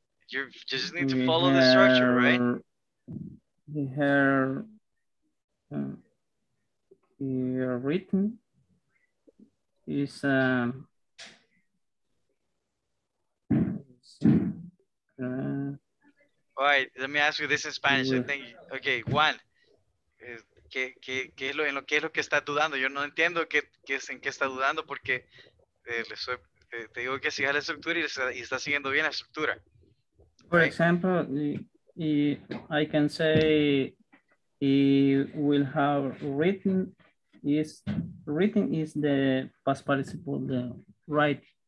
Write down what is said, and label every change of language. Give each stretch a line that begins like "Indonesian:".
English: You just need to follow the structure, right? Your written is All right, let me ask you this in Spanish. I think okay, one.
Spanish: ¿Qué es lo que está dudando? Yo no entiendo qué está dudando porque te digo que siga la estructura y está siguiendo bien la estructura.
English: For example, I can say he will have written is the past participle, the right.